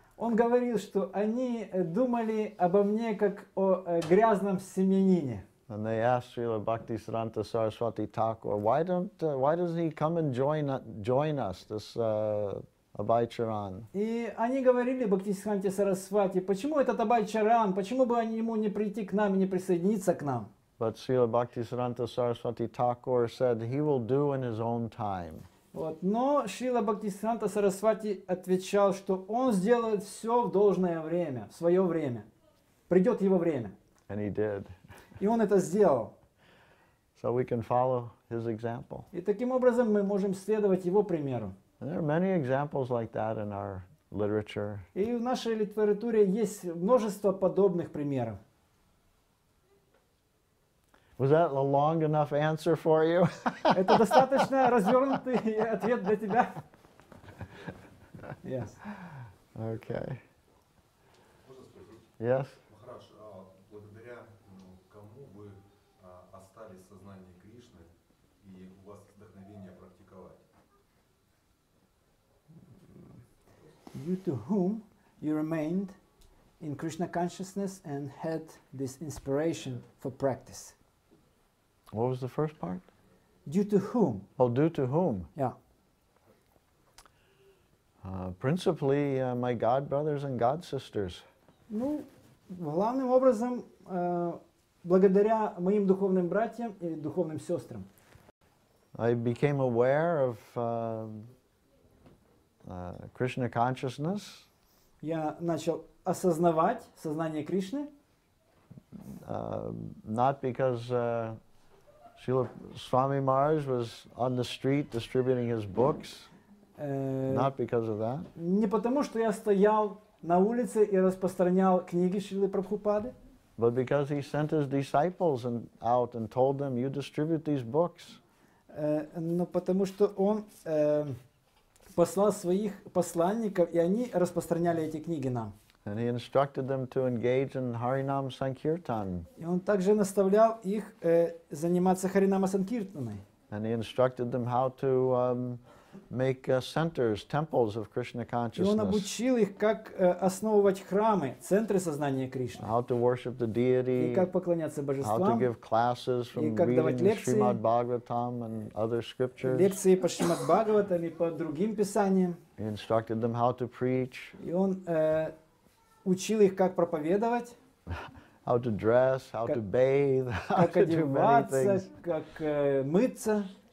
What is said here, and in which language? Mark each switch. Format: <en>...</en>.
<ru>Он говорил, что они думали обо мне как о грязном семьянине.</ru> <en>And they asked Srila Bhakti Siddhanta Saraswati Thakur, why doesn't he come and join us, this Абай Чаран?</en> <ru>И они говорили Бхакти Сиддханте Сарасвати, почему этот Абай Чаран, почему бы ему не прийти к нам и не присоединиться к нам?</ru> <en>But Srila Bhakti Siddhanta Saraswati Thakur said he will do in his own time.</en> <ru>Вот. Но Шрила Бхактисиддханта Сарасвати отвечал, что он сделает все в должное время, в свое время. Придет его время.</ru> <en>And he did.</en> <ru>И он это сделал.</ru> <en>So we can follow his example.</en> <ru>И таким образом мы можем следовать его примеру.</ru> <en>And there are many examples like that in our literature.</en> <ru>И в нашей литературе есть множество подобных примеров.</ru> <en>Was that a long enough answer for you?</en> <ru>Это достаточно развернутый ответ для тебя?</ru> <en>Yes. Okay. Yes.</en> <ru>Махарадж, благодаря кому вы остались в сознании Кришны и у вас вдохновение практиковать?</ru> <en>Due to whom you remained in Krishna consciousness and had this inspiration for practice? What was the first part? Due to whom? Oh, due to whom? Yeah. Principally, my God brothers and God sisters.</en> <ru>Ну, главным образом, благодаря моим духовным братьям и духовным сестрам.</ru> <en>I became aware of Krishna consciousness.</en> <ru>Я начал осознавать сознание Кришны.</ru> <en>Not because Srila Swami Maharaj was on the street distributing his books, not because of that.</en> <ru>Не потому, что я стоял на улице и распространял книги Шрилы Прабхупады.</ru> <en>But because he sent his disciples out and told them, you distribute these books.</en> <ru>Но потому, что он послал своих посланников, и они распространяли эти книги нам.</ru> <en>And he instructed them to engage in Харинам Санкиртан.</en> <ru>И он также наставлял их заниматься Харинама Санкиртаной.</ru> <en>And he instructed them how to make centers, temples of Krishna consciousness.</en> <ru>И он обучил их, как основывать храмы, центры сознания Кришны.</ru> <en>How to worship the deity.</en> <ru>И как поклоняться божествам.</ru> <en>How to give classes from reading Shrimad Bhagavatam and other scriptures.</en> <ru>Лекции по Шримад Бхагаватам и по другим писаниям.</ru> <en>He instructed them how to preach.</en> <ru>И он учил их, как проповедовать,</ru> <en>how to dress, how to bathe, how</en> <ru>как одеваться, как мыться.</ru>